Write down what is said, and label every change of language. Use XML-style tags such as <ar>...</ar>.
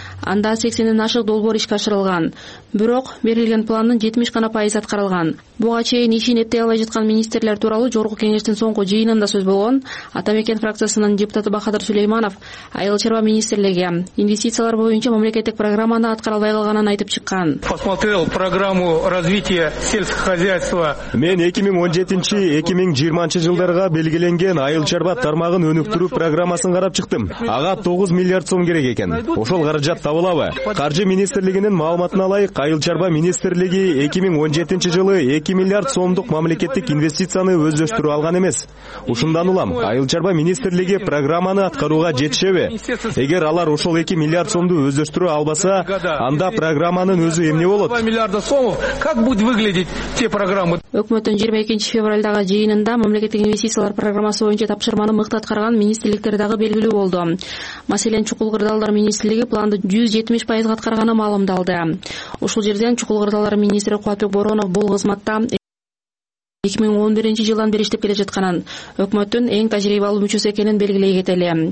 <ky>Анда 80ден ашык долбоор ишке ашырылган. Бирок берилген пландын 70% аткарылган. Буга чейин ишин эптей албай жаткан министрлер тууралуу жогорку кеңештин соңку жыйынында сөз болгон Ата мекен фракциясынын депутаты Бахадыр Сүлейманов айыл чарба министрлиги инвестициялар боюнча мамлекеттик программаны аткара албай калганын айтып чыккан.</ky> <ru>Посмотрел программу программу развития сельского хозяйства.</ru> <ky>Мен 2017-2020 жылдарга белгиленген айыл чарба тармагын өнүктүрүү программасын карап чыктым. Ага 9 миллиард сом керек экен. Ошол каражат табылабы? Каржы министрлигинин маалыматына ылайык, айыл чарба министрлиги 2017 жылы 2 миллиард сомдук мамлекеттик инвестицияны өздөштүрүп алган эмес. Ушундан улам айыл чарба министрлиги программаны аткарууга жетишеби? Эгер алар ошол 2 миллиард сомду өздөштүрө албаса, анда программанын өзү эмне болот?</ky> <ru>2 миллиард сомов, как будет выглядеть те программы?</ru> <ky>Өкмөттүн 22 февральдагы жыйынында мамлекеттик инвестициялар программасы боюнча тапшырманы мыкты аткарган министрликтер дагы белгилүү болду. Маселен, чукул кырдаалдар министрлиги планды 170% аткарганы маалымдалды. Ушул жерден чукул кырдаалдар министри Кубатбек Боронов бул кызматта 2011 жылдан бери иштеп келе жатканын, өкмөттүн эң тажрыйбалуу мүчөсү экенин белгилей кетели.</ky>